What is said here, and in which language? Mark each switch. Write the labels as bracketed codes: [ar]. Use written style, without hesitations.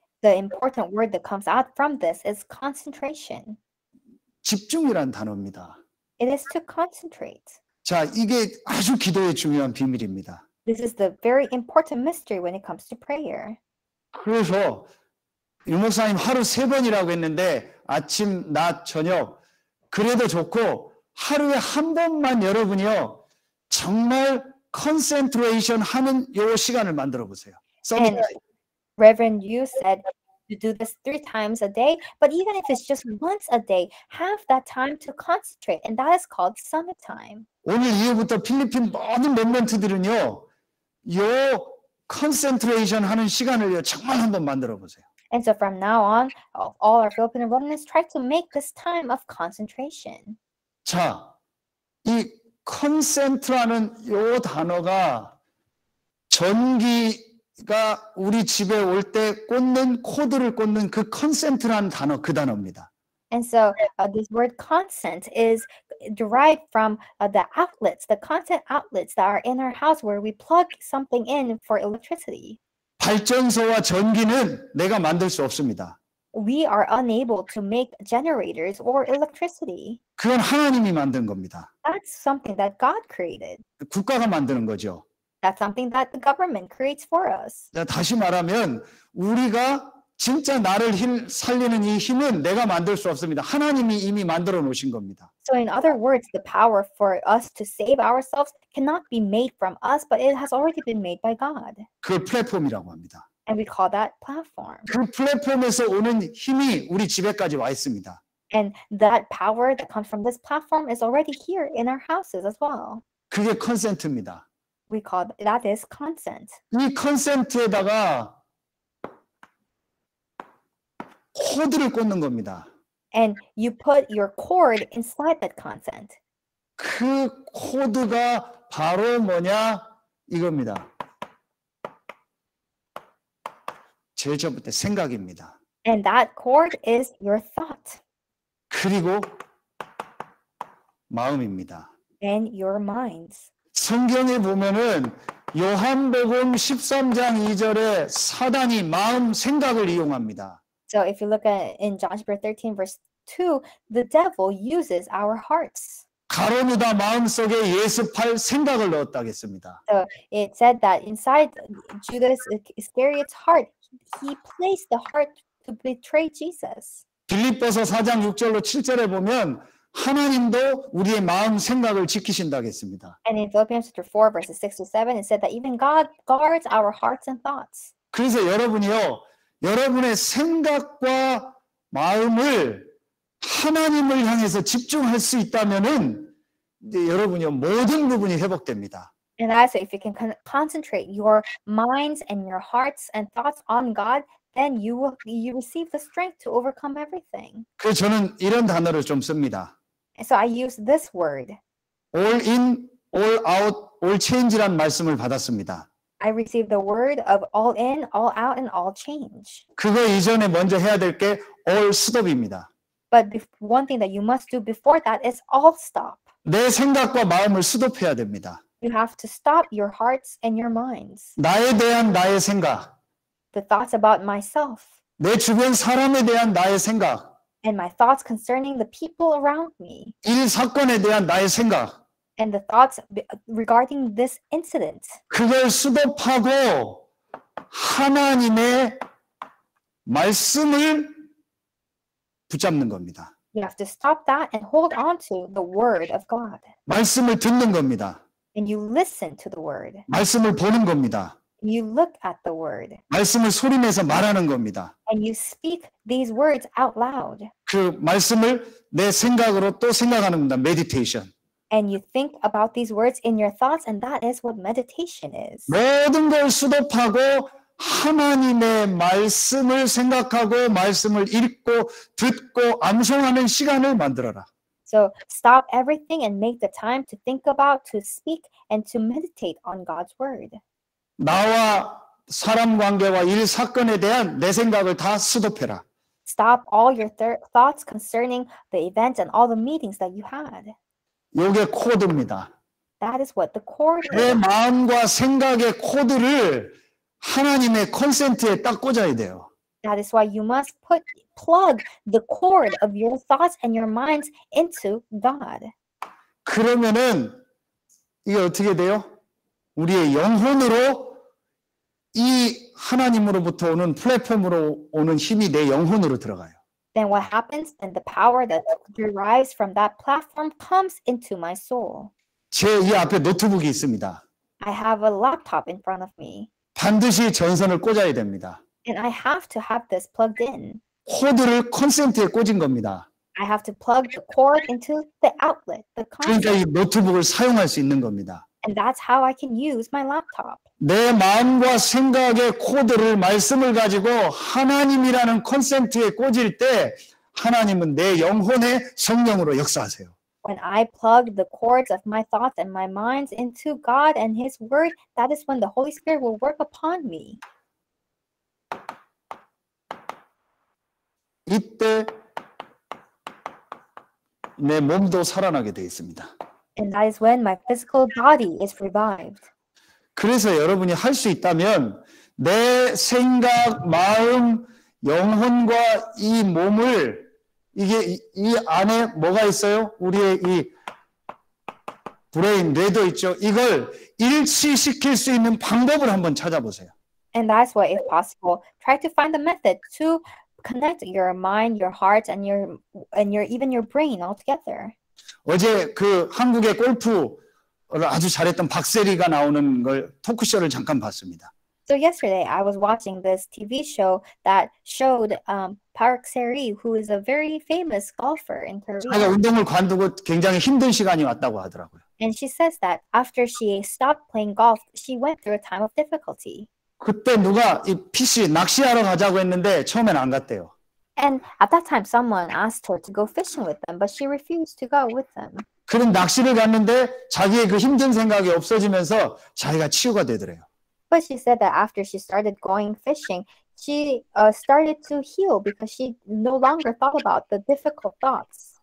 [en] The important word that comes out from this is concentration. [ko] 집중이란 단어입니다. [en] It is to concentrate. [ko] 자, 이게 아주 기도의 중요한 비밀입니다. [en] This is the very important mystery when it comes to prayer. [ko] 그래서 유 목사님 하루 세 번이라고 했는데 아침, 낮, 저녁 그래도 좋고 하루에 한 번만 여러분이요 정말 컨센트레이션 하는 요 시간을 만들어 보세요. [en] And Reverend Yu said to do this three times a day, but even if it's just once a day, have that time to concentrate, and that is called summit time. [ko] 오늘 이후부터 필리핀 많은 멤버들은요, 요 컨센트레이션 하는 시간을요 정말 한번 만들어 보세요. [en] And so from now on, all our Filipino remnants try to make this time of concentration. [ko] 자, 이 컨센트라는 요 단어가 전기가 우리 집에 올 때 꽂는 코드를 꽂는 그 컨센트라는 단어 그 단어입니다. [en] And so this word consent is derived from the outlets, the consent outlets that are in our house where we plug something in for electricity. [ko] 발전소와 전기는 내가 만들 수 없습니다. [en] We are unable to make generators or electricity. [ko] 그건 하나님이 만든 겁니다. [en] That's something that God created. [ko] 국가가 만드는 거죠. [en] That's something that the government creates for us. [ko] 다시 말하면 우리가 진짜 나를 살리는 이 힘은 내가 만들 수 없습니다. 하나님이 이미 만들어 놓으신 겁니다. [en] So in other words, the power for us to save ourselves cannot be made from us, but it has already been made by God. [ko] 그 플랫폼이라고 합니다. [en] And we call that platform. [ko] 그 플랫폼에서 오는 힘이 우리 집에까지 와 있습니다. [en] And that power that comes from this platform is already here in our houses as well. [ko] 그게 컨센트입니다. [en] We call that is consent. [ko] 이 컨센트에다가 코드를 꽂는 겁니다. [en] And you put your cord inside that consent. [ko] 그 코드가 바로 뭐냐? 이겁니다. 제일 처음부터 생각입니다. [en] And that cord is your thought. [ko] 그리고 마음입니다. [en] And your minds. [ko] 성경에 보면은 요한복음 13장 2절에 사단이 마음 생각을 이용합니다. [en] So if you look at in John chapter 13 verse 2, the devil uses our hearts. [ko] 가로누다 마음속에 예습할 생각을 넣었다겠습니다. [en] So it said that inside Judas Iscariot's heart, he placed the heart to betray Jesus. [ko] 빌립보서 4장 6절로 7절에 보면 하나님도 우리의 마음 생각을 지키신다겠습니다. [en] And in Philippians chapter 4 verses 6 to 7, it said that even God guards our hearts and thoughts. [ko] 그래서 여러분이요 여러분의 생각과 마음을 하나님을 향해서 집중할 수 있다면은 이제 여러분이 모든 부분이 회복됩니다. [en] And also, if you can concentrate your minds and your hearts and thoughts on God, then you receive the strength to overcome everything. [ko] 그래서 저는 이런 단어를 좀 씁니다. [en] And so I use this word. All in, all out, all change란 [ko] 말씀을 받았습니다. [en] I received the word of all in, all out, and all change. [ko] 그거 이전에 먼저 해야 될 게 [en] all stop [ko] 입니다. [en] But one thing that you must do before that is all stop. [ko] 내 생각과 마음을 stop해야 됩니다. [en] You have to stop your hearts and your minds. [ko] 나에 대한 나의 생각. [en] The thoughts about myself. [ko] 내 주변 사람에 대한 나의 생각. [en] And my thoughts concerning the people around me. [ko] 일 사건에 대한 나의 생각. [en] And the thoughts regarding this incident. [ko] 그걸 수습하고 하나님의 말씀을 붙잡는 겁니다. [en] You have to stop that and hold on to the word of God. [ko] 말씀을 듣는 겁니다. [en] And you listen to the word. [ko] 말씀을 보는 겁니다. [en] You look at the word. [ko] 말씀을 소리내서 말하는 겁니다. [en] And you speak these words out loud. [ko] 그 말씀을 내 생각으로 또 생각하는 겁니다. [en] Meditation. And you think about these words in your thoughts, and that is what meditation is. [ko] 모든 걸 수독하고 하나님의 말씀을 생각하고 말씀을 읽고 듣고 암송하는 시간을 만들어라. [en] So stop everything and make the time to think about, to speak, and to meditate on God's word. [ko] 나와 사람 관계와 일 사건에 대한 내 생각을 다 수독해라. [en] Stop all your thoughts concerning the events and all the meetings that you had. [ko] 이게 코드입니다. [en] That is what the cord is. [ko] 내 마음과 생각의 코드를 하나님의 콘센트에 딱 꽂아야 돼요. [en] That is why you must plug the cord of your thoughts and your minds into God. [ko] 그러면은 이게 어떻게 돼요? 우리의 영혼으로 이 하나님으로부터 오는 플랫폼으로 오는 힘이 내 영혼으로 들어가요. [en] Then what happens? Then the power that derives from that platform comes into my soul. [ko] 제 이 앞에 노트북이 있습니다. [en] I have a laptop in front of me. [ko] 반드시 전선을 꽂아야 됩니다. [en] And I have to have this plugged in. [ko] 코드를 콘센트에 꽂은 겁니다. [en] I have to plug the cord into the outlet, the concept. [ko] 그러니까 이 노트북을 사용할 수 있는 겁니다. [en] And that's how I can use my laptop. [ko] 내 마음과 생각의 코드를 말씀을 가지고 하나님이라는 콘센트에 꽂을 때 하나님은 내 영혼의 성령으로 역사하세요. [en] When I plug the cords of my thoughts and my minds into God and His Word, that is when the Holy Spirit will work upon me. [ko] 이때 내 몸도 살아나게 되어 있습니다. [en] And that is when my physical body is revived. [ko] 그래서 여러분이 할 수 있다면 내 생각, 마음, 영혼과 이 몸을 이게 이 안에 뭐가 있어요? 우리의 이 브레인, 뇌도 있죠. 이걸 일치시킬 수 있는 방법을 한번 찾아보세요. [en] And that's why, if possible, try to find a method to connect your mind, your heart, and your even your brain all together. [ko] 어제 그 한국의 골프를 아주 잘했던 박세리가 나오는 걸 토크쇼를 잠깐 봤습니다. [en] So yesterday I was watching this TV show that showed Park Seri, who is a very famous golfer in Korea. [ko] 자기가 운동을 관두고 굉장히 힘든 시간이 왔다고 하더라고요. [en] And she says that after she stopped playing golf, she went through a time of difficulty. [ko] 그때 누가 이 PC 낚시하러 가자고 했는데 처음엔 안 갔대요. [en] And at that time, someone asked her to go fishing with them, but she refused to go with them. [ko] 그런 낚시를 갔는데 자기의 그 힘든 생각이 없어지면서 자기가 치유가 되더래요. [en] But she said that after she started going fishing, she started to heal because she no longer thought about the difficult thoughts.